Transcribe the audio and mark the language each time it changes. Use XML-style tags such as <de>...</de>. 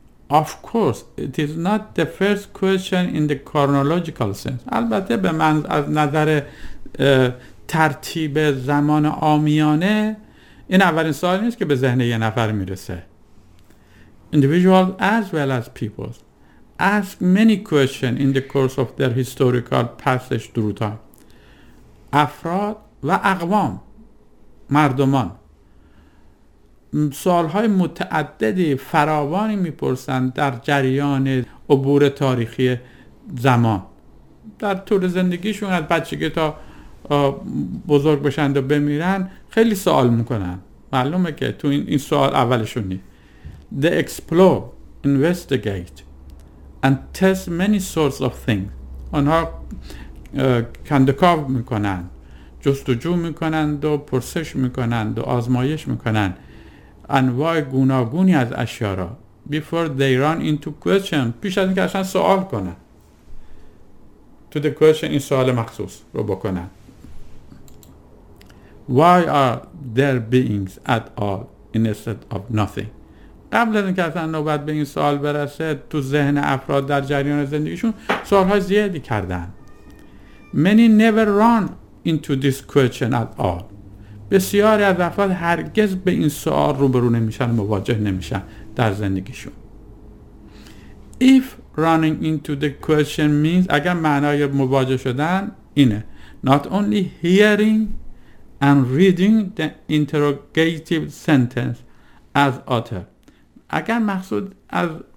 <en>Of course it is not the first question in the chronological sense.</en> <fa>البته به من از نظر ترتیب زمان عامیانه این اولین سوال نیست که به ذهن یه نفر میرسه.</fa> <en>Individuals as well as people ask many questions in the course of their historical passage through time.</en> <fa>افراد و اقوام، مردمان، سوالهای متعددی فراوانی میپرسند در جریان عبور تاریخی زمان، در طول زندگیشون از بچگی تا بزرگ بشن و بمیرن خیلی سوال میکنن. معلومه که تو این سوال اولشون نیست.</fa> <en>They explore, investigate and test many sorts of things.</en> <fa>آنها کندکاو میکنن، جستجو میکنند و پرسش میکنند و آزمایش میکنند انواع گوناگونی از اشیا را</fa> <en>before they run into question،</en> <fa>پیش از اینکه اصلا سوال کنن،</fa> <en>to the question،</en> <fa>این سوال مخصوص رو بکنن.</fa> <en>Why are there beings at all instead of nothing؟</en> <fa>قبل از اینکه اصلا نوبت به این سوال برسه تو ذهن افراد در جریان زندگیشون سوال های زیادی کردن.</fa> <en>Many never run into this question at all.</en> <fa>بسیاری از افراد هرگز به این سوال روبرو نمیشن، مواجه نمیشن در زندگیشون.</fa> <en>If running into the question means،</en> <fa>اگر معنای مواجه شدن اینه،</fa> <en>not only hearing and reading the interrogative sentence as utter،</en> <fa>اگر مقصود از</fa>